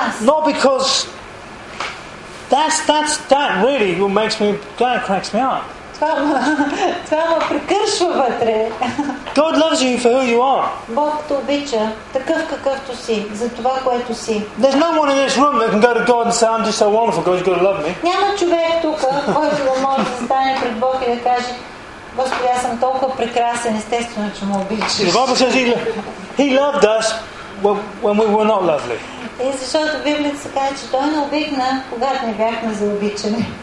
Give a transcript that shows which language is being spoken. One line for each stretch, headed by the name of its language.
English: Not because that really makes me, that cracks me up.
Bulgarian: Това ме прекършва вътре.
English: God loves you for who you are.
Bulgarian: Бог те обича такъв какъвто си, за това което си.
English: There's no one in this room that can go to God and say I'm just so wonderful, God's got to love me.
Bulgarian: Няма човек тук, който да може да стане пред Бог и да каже: Господи, аз съм толкова прекрасен, естествено че ме обичаш.
English: The Bible says he loved us when we were not lovely.
Bulgarian: И защото Библията се казва, че Той не обикна, когато не бяхме заобичани.